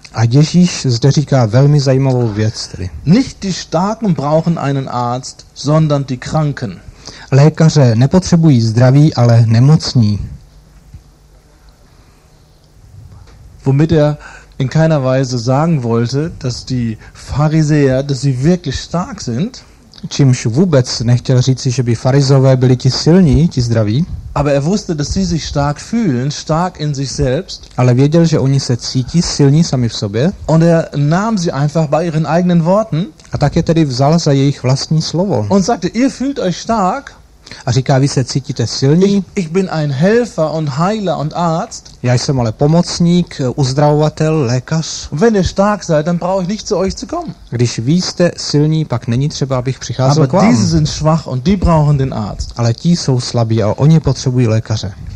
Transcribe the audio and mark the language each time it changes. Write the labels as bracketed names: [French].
[Czech] A Ježíš zde říká velmi zajímavou věc tedy. [German] Nicht die starken brauchen einen Arzt, sondern die kranken. [Czech] Lékaře nepotřebují zdraví, ale nemocní. [German] Womit er in keiner Weise sagen wollte, dass die Pharisäer, dass sie wirklich stark sind. [Czech] Čímž vůbec nechtěl říci, že by farizové byli ti silní, ti zdraví. [German] Aber er wusste, dass sie sich stark fühlen, stark in sich selbst. [Czech] Ale věděl, že oni se cítí silní sami v sobě. [German] Und er nahm sie einfach bei ihren eigenen Worten. [Czech] A tak je tedy vzal za jejich vlastní slovo. [German] Und sagte, ihr fühlt euch stark. [Czech] A říká, vy se cítíte silní. [German] Ich bin ein Helfer und Heiler und Arzt. [Czech] Já jsem ale pomocník, uzdravovatel, lékař. [German] Wenn ihr stark seid, dann brauche ich nicht zu euch zu kommen. [Czech] Když vy jste silní, pak není třeba, abych přicházel k vám. [German] Aber diese sind schwach und die brauchen den Arzt. [Czech] Ale ti jsou slabí a oni potřebují lékaře.